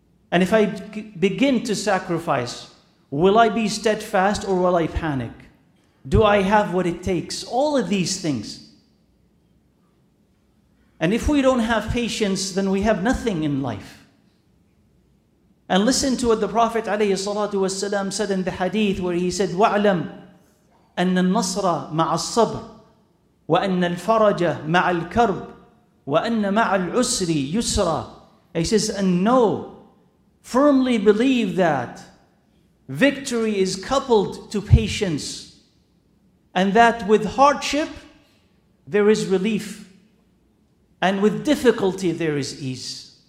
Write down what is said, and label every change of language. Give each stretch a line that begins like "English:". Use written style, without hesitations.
English: And if I begin to sacrifice, will I be steadfast or will I panic? Do I have what it takes? All of these things. And if we don't have patience, then we have nothing in life. And listen to what the Prophet ﷺ said in the hadith where he said,
Arabic: "Wa'lam." أن النصر مع الصبر وأن الفرج مع الكرب وأن مع العسر يسرا.
English: He says, and know, firmly believe that victory is coupled to patience and that with hardship there is relief and with difficulty there is ease.